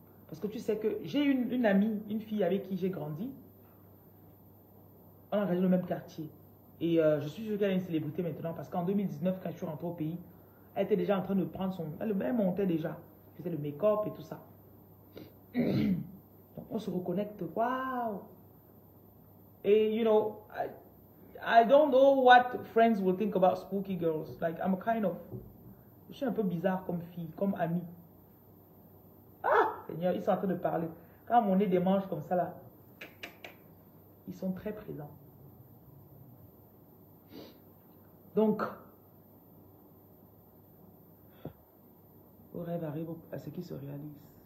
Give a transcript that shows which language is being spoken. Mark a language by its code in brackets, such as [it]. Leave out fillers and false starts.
[fr] Parce que tu sais que j'ai une amie, une fille avec qui j'ai grandi. On a grandi dans le même quartier. Et je suis sûr qu'elle est une célébrité maintenant. Parce qu'en 2019, quand je suis rentrée au pays, elle était déjà en train de prendre son... Elle montait déjà. Elle faisait le make-up et tout ça. Donc, on se reconnecte. Waouh! [en] Et, you know, I don't know what friends will think about spooky girls. Like, I'm kind of... [fr] Je suis un peu bizarre comme fille, comme amie. Ah! Seigneur, ils sont en train de parler. Quand mon nez démange comme ça, là, ils sont très présents. Donc, vos rêves arrivent à ce qui se réalise.